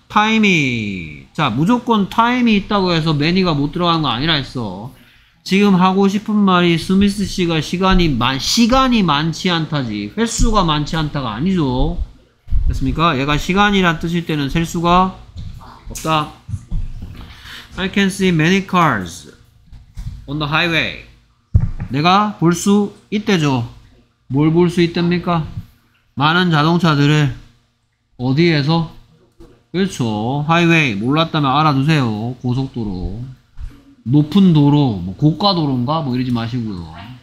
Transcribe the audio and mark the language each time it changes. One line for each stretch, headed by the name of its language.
Korean: 타임이 자 무조건 타임이 있다고 해서 매니가 못 들어간 거 아니라 했어. 지금 하고 싶은 말이 스미스 씨가 시간이 많지 않다지 횟수가 많지 않다가 아니죠. 됐습니까? 얘가 시간이란 뜻일 때는 횟수가 없다.
English: I can see many cars on the highway.
Korean: 내가 볼 수 있대죠. 뭘 볼 수 있답니까? 많은 자동차들을 어디에서 그렇죠. 하이웨이 몰랐다면 알아두세요. 고속도로, 높은 도로, 뭐 고가도로인가 뭐 이러지 마시고요.